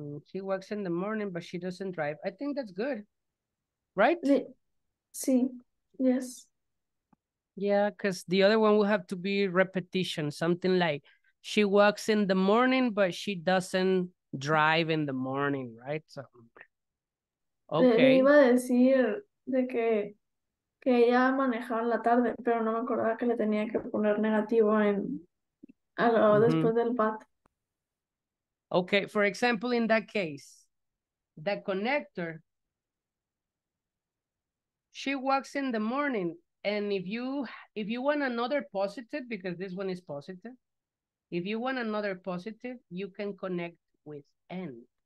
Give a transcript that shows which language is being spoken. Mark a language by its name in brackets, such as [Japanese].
[English] She works in the morning, but she doesn't drive. I think that's good, right? Sí. Yes. Yeah, because the other one will have to be repetition, something like she works in the morning, but she doesn't drive in the morning, right? So, okay. [Spanish] Le iba a decir de que ella manejaba en la tarde, pero no me acordaba que le tenía que poner negativo en algo después del bat. [English] Okay, for example, in that case, the connector, she works in the morning. And if you want another positive, because this one is positive, if you want another positive, you can connect with and.